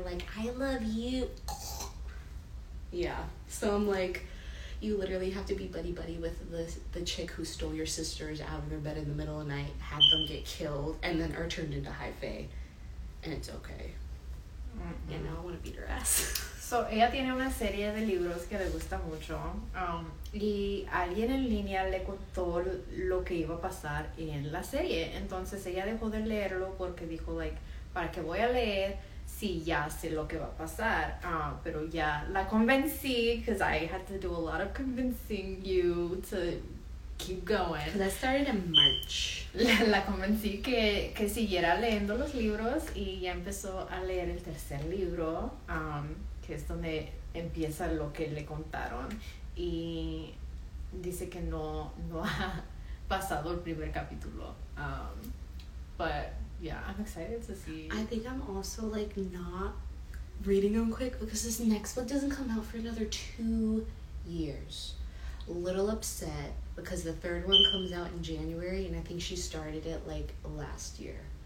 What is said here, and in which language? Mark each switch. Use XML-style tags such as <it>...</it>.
<en>Like, I love you. Yeah. So I'm like, you literally have to be buddy-buddy with the chick who stole your sisters out of their bed in the middle of the night, had them get killed, and then are turned into high fae. And it's okay. Mm-hmm. You know, I want to beat her ass.</en> <es>So, ella tiene una serie de libros que le gusta mucho. Y alguien en línea le contó lo que iba a pasar en la serie. Entonces, ella dejó de leerlo porque dijo, like, ¿para qué voy a leer si ya sé lo que va a pasar? Pero ya la convencí,</es> <en>because I had to do a lot of convincing you to keep going. Because I started in March.</en> <es>La convencí que siguiera leyendo los libros y ya empezó a leer el tercer libro, que es donde empieza lo que le contaron. Y dice que no ha pasado el primer capítulo.</es> <en>But yeah, I'm excited to see. I think I'm also like not reading them quick because this next book doesn't come out for another 2 years. A little upset. Because the third one comes out in January, and I think she started it, like, last year.</en>